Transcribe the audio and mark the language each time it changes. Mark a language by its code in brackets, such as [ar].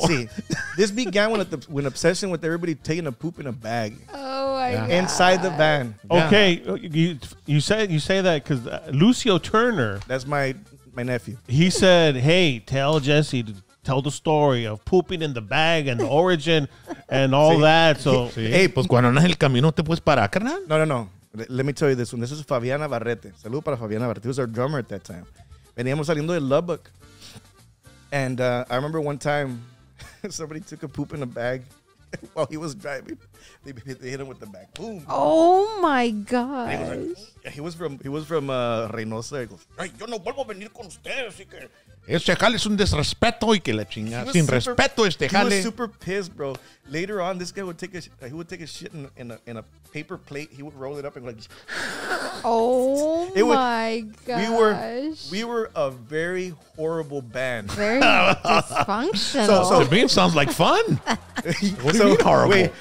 [en] See, this began with an obsession with everybody taking a poop in a bag. Oh, my God. Inside the van. Okay, you say that because Lucio Turner. That's my nephew. He said, hey, tell Jesse to tell the story of pooping in the bag and the origin and all that. So, [es] hey, pues cuando andas el camino te puedes parar, carnal. [en] No. Let me tell you this one. This is Fabiana Barrete. Saludo para Fabiana Barrete. He was our drummer at that time. Veníamos saliendo de Lubbock. And I remember one time somebody took a poop in a bag while he was driving. They hit him with the bag. Boom. Oh, my gosh. He was from Reynosa. [es] He goes, hey, yo no vuelvo a venir con usted, así que... Este jale es un desrespeto y que la chingada. Sin super, respeto este jale. [en] He was super pissed, bro. Later on, this guy would take a shit in a paper plate. He would roll it up and go like. Oh, it my would, gosh. We were a very horrible band. Very dysfunctional. So, to me, it sounds like fun. What do you mean horrible? Wait,